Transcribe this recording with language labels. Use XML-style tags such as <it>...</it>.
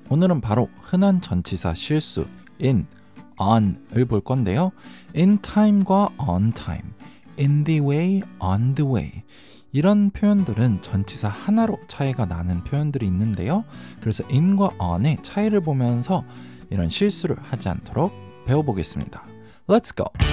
<ko>오늘은 바로 흔한 전치사 실수 in, on을 볼 건데요.</ko> <en>In time과 on time, in the way, on the way.</en> <ko>이런 표현들은 전치사 하나로 차이가 나는 표현들이 있는데요. 그래서 in과 on의 차이를 보면서 이런 실수를 하지 않도록 배워보겠습니다.</ko> <en>Let's go!</en>